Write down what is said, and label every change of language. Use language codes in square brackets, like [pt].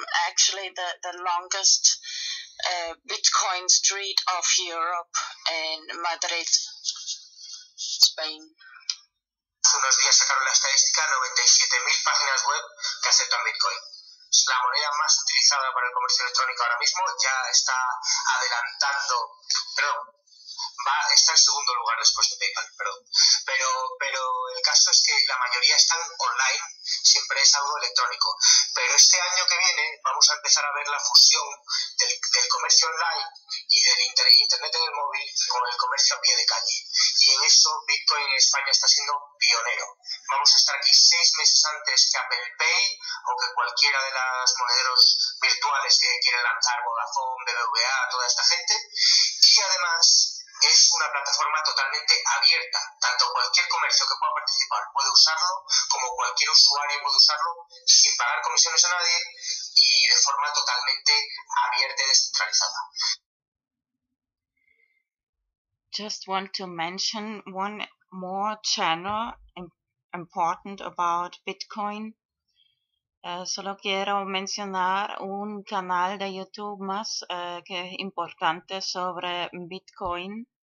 [en] Actually, the longest Bitcoin street of Europe in Madrid, Spain. [es] Hace unos días sacaron la estadística, 97.000 páginas web que aceptan Bitcoin. La moneda más utilizada para el comercio electrónico ahora mismo ya está adelantando, perdón, está en segundo lugar después de PayPal, perdón, pero caso es que la mayoría están online, siempre es algo electrónico. Pero este año que viene vamos a empezar a ver la fusión del comercio online y del internet en el móvil con el comercio a pie de calle. Y en eso Bitcoin en España está siendo pionero. Vamos a estar aquí 6 meses antes que Apple Pay o que cualquiera de las monederos virtuales que quiere lanzar Vodafone, BBVA, toda esta gente. Y además es una plataforma totalmente abierta. Tanto cualquier comercio que pueda participar puede usarlo, como cualquier usuario puede usarlo sin pagar comisiones a nadie y de forma totalmente abierta y descentralizada. [en] Just want to mention one more channel important about Bitcoin. [es] Solo quiero mencionar un canal de YouTube más que es importante sobre Bitcoin.